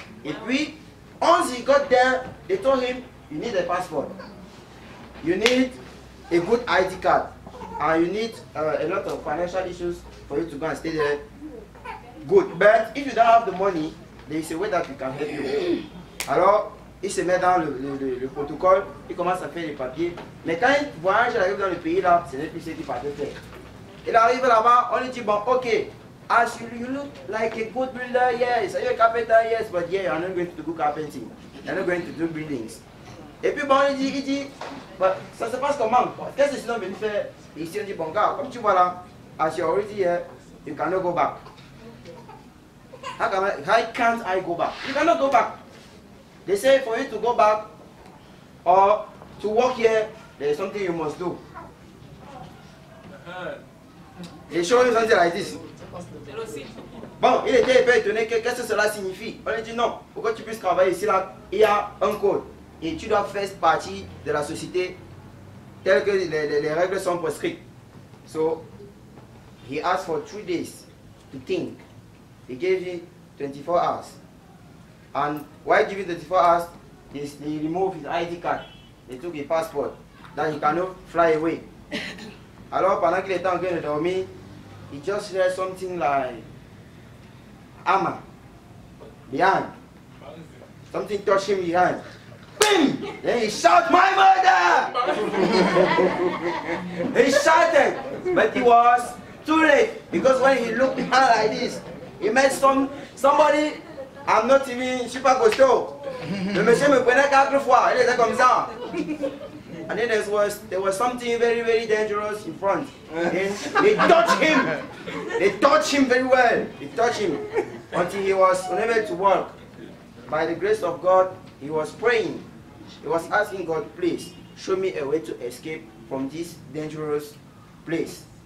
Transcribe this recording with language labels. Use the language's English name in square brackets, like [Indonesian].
[French] Et puis [English] once he got there, they told him you need a passport, you need a good ID card. and you need a lot of financial issues for you to go and stay there, good. But if you don't have the money, there is a way that we can help you. [French] Alors, il se met dans le protocole, il commence à faire les papiers. Mais quand il voyage, il arrive dans le pays là, ce n'est plus ce qu'il partait faire. Il arrive là-bas, on lui dit, bon, ok, [English] as you look like a good builder, yes, are you a carpenter, yes, but yeah, you're not going to do carpenting. You're not going to do buildings. [French] Et puis bon, il dit, bah, ça se passe comment? Qu'est-ce que sinon venu faire? Et ici, on dit, bon, gars, comme tu vois là, [English] as you already here, you cannot go back. How can't I go back? You cannot go back. They say for you to go back or to work here, there is something you must do. They show you something like this. [French] Bon, il était un peu étonné que qu'est-ce que cela signifie. On lui dit non, pour que tu puisses travailler ici là, il y a un code. Et tu dois faire partie de la société telle que les règles sont prescrites. [English] So, he asked for 3 days to think. He gave you 24 hours. And while giving 24 hours, he removed his ID card. He took his passport. Then he cannot fly away. [French] Alors, pendant qu'il était en train de dormir, [English] he just heard something like Ama, behind. Something touched him behind. Bim! Then he shouted, my mother! He shouted, but it was too late. Because when he looked behind like this, he met somebody, I'm not even, [French] je ne suis pas costaud. Le monsieur me prenait 4 fois, il était comme ça. [English] And then there was something very, very dangerous in front. They touched him. They touched him very well. They touched him until he was unable to walk. By the grace of God, he was praying. He was asking God, please, show me a way to escape from this dangerous place.